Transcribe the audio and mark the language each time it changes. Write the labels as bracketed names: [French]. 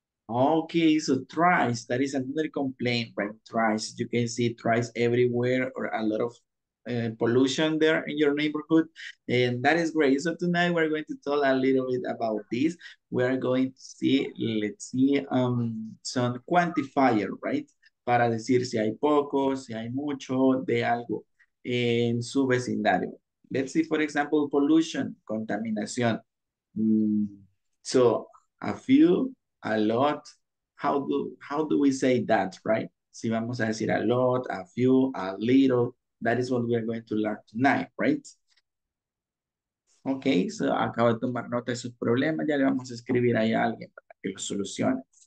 [English] Okay, so trash, that is another complaint, right? Trash, you can see trash everywhere or a lot of pollution there in your neighborhood. And that is great. So tonight we're going to talk a little bit about this. We are going to see, let's see, some quantifier, right? [Spanish] Para decir si hay poco, si hay mucho de algo en su vecindario. [English] Let's see, for example, pollution, contaminación. So a few, a lot. How do we say that, right? [Spanish] Si vamos a decir [English] a lot, a few, a little, that is what we are going to learn tonight, right? [Spanish] Okay, so acabo de tomar nota de sus problemas, ya le vamos a escribir ahí a alguien para que lo solucione.